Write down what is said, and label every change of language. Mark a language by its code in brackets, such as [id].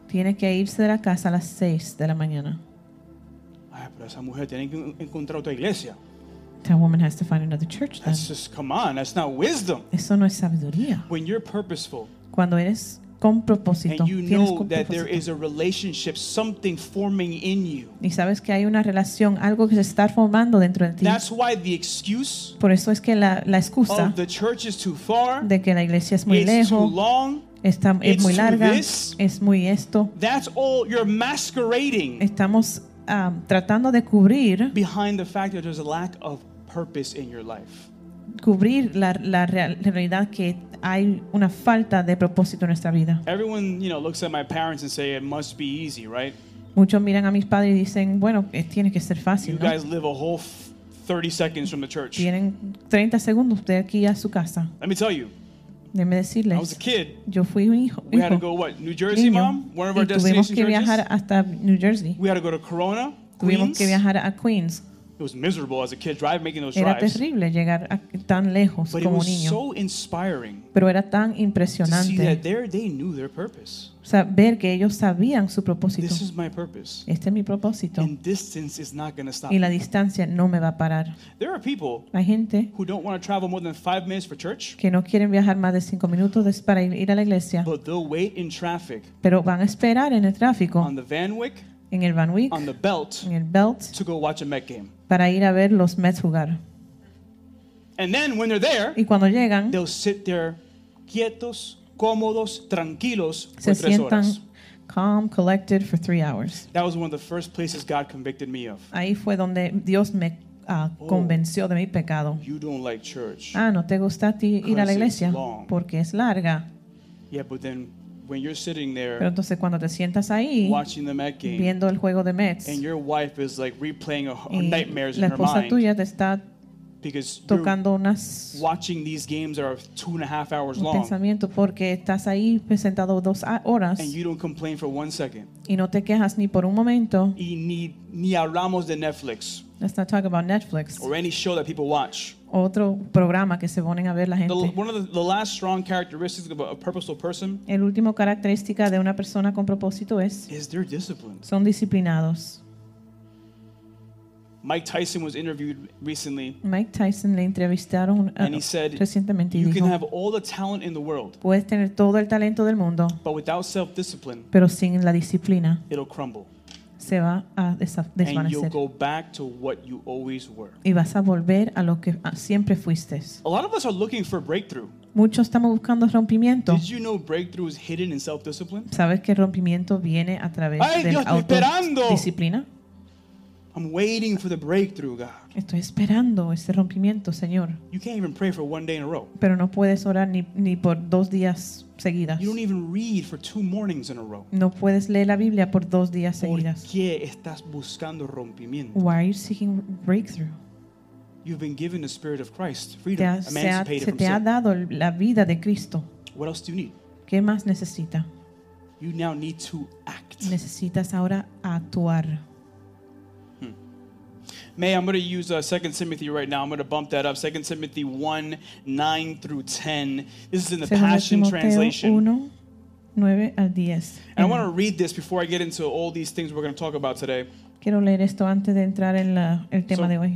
[es] Tiene que irse de la casa a las 6 de la mañana. Ay, pero esa mujer tiene que encontrar otra iglesia. [en] That woman has to find another church then. That's just, come on, that's not wisdom. [es] Eso no es sabiduría. [en] When you're purposeful. [es] Cuando eres con propósito, [en] and you know [es] con [en] that [es] propósito. [en] There is a relationship, something forming in you. [es] Y sabes que hay una relación, algo que se está formando dentro de ti. [en] That's why the excuse. [es] Por eso es que la excusa. [en] Of the church is too far. [es] De que la iglesia es muy lejos. [en] It's too long. [es] Es muy larga. Es muy esto. [en] That's all you're masquerading. [es] Estamos tratando de cubrir. [en] Behind the fact that there's a lack of purpose in your life. [es] Cubrir la realidad que hay una falta de propósito en nuestra vida. [en] Everyone, you know, looks at my parents and say it must be easy, right? [es] Muchos miran a mis padres y dicen, bueno, tiene que ser fácil. [en] You [es] ¿no? [en] guys live a whole 30 seconds from the church. [es] Tienen 30 segundos de aquí a su casa. [en] Let me tell you. [es] Déjenme decirles. [en] I was a kid. [es] Yo fui un hijo. [en] We had to go what? New Jersey, [es] niño. [en] Mom? One of our destinations. [es] Tuvimos que viajar [en] churches? [es] Hasta New Jersey. [en] We had to go to Corona. [es] Tuvimos [en] Queens. [es] Que viajar a Queens. [en] It was miserable as a kid driving, making those [es] era [en] drives. [es] Terrible llegar tan lejos [en] but [es] como [en] it was [es] niño. [en] So inspiring. [es] Pero era tan impresionante. [en] To see that they knew their purpose. [es] Saber que ellos sabían su propósito. [en] This is my purpose. [es] Este es mi propósito. [en] And distance is not going to stop. [es] Y la distancia no me va a parar. [en] There are people. [es] La gente [en] who don't want to travel more than 5 minutes for church. [es] Que no quieren viajar más de 5 minutos para ir a la iglesia. [en] But they'll wait in traffic. [es] Pero van a esperar en el tráfico. [en] On the Van Wick. [es] En el Van Wick, [en] on the belt, [es] en el belt [en] to go watch a Met game. [es] Para ir a ver los Mets jugar. [en] And then when they're there, [es] y cuando llegan, [en] they'll sit there [es] quietos, cómodos, tranquilos se [en] for 3 hours. Calm, collected for 3 hours. That was one of the first places God convicted me of. [es] Ahí fue donde Dios me convenció de mi pecado. [en] You don't like church. [es] Ah, no te gusta a ti ir a la iglesia porque es larga. [en] Yeah, but then when you're sitting there, [es] pero entonces cuando te sientas ahí, [en] watching the Met game, [es] viendo el juego de Mets, [en] and your wife is like replaying a nightmares [es] la esposa [en] in her mind, [es] tuya te está [en] because [es] tocando [en] you're [es] unas [en] watching these games that are 2.5 hours long, [es] pensamiento porque estás ahí presentado 2 horas, [en] and you don't complain for 1 second, [es] y no te quejas ni por un momento, y ni hablamos de Netflix. [en] Let's not talk about Netflix or any show that people watch. [es] Otro programa que se ponen a ver la gente. [en] One of the last strong characteristics of a purposeful person. [es] El último característica de una persona con propósito es. [en] Is they're disciplined. [es] Son disciplinados. [en] Mike Tyson was interviewed recently. [es] Mike Tyson le entrevistaron [en] and he said, [es] recientemente. [en] You [es] dijo, [en] can have all the talent in the world. [es] Puedes tener todo el talento del mundo. [en] But without self-discipline. [es] Pero sin la disciplina. [en] It'll crumble. [es] se va a desvanecer. [en] And you'll go back to what you always were. [es] Y vas a volver a lo que siempre fuiste. [en] A lot of us are looking for breakthrough. [es] Muchos estamos buscando rompimiento. [en] Did you know breakthrough is hidden in self-discipline? [es] ¿Sabes que rompimiento viene a través de la autodisciplina? [en] I'm waiting for the breakthrough, God. [es] Estoy esperando ese rompimiento, Señor. [en] You can't even pray for one day in a row. [es] Pero no puedes orar ni por dos días seguidas. [en] You don't even read for two mornings in a row. [es] No puedes leer la Biblia por dos días seguidas. ¿Por qué estás buscando rompimiento? [en] Why are you seeking breakthrough? You've been given the Spirit of Christ, freedom, emancipated from sin. [es] Se te ha dado la vida de Cristo. [en] What else do you need? [es] ¿Qué más necesita? [en] You now need to act. [es] Necesitas ahora actuar. [en] May, I'm going to use 2 Timothy right now. I'm going to bump that up. 2 Timothy 1, 9 through 10. This is in the Passion Translation. [es] 1, 9 al 10. [en] And I want to read this before I get into all these things we're going to talk about today. [es] Quiero leer esto antes de entrar en el tema de hoy.